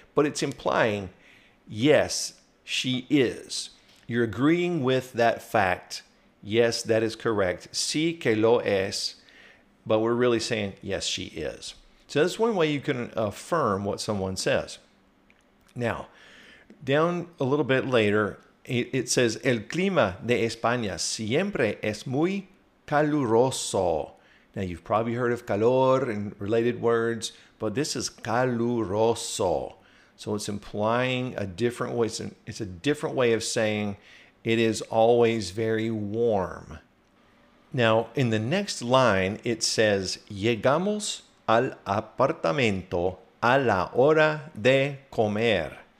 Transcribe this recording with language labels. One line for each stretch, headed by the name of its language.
English: But it's implying, yes, she is. You're agreeing with that fact. Yes, that is correct.
Spanish: Sí, que lo es.
English: But we're really saying, yes, she is. So that's one way you can affirm what someone says. Now, down a little bit later, it says,
Spanish: El clima de España siempre es muy caluroso.
English: Now, you've probably heard of calor and related words, but this is caluroso. So it's implying a different way. It's a different way of saying it is always very warm. Now, in the next line, it says,
Spanish: Llegamos al apartamento a la hora de comer.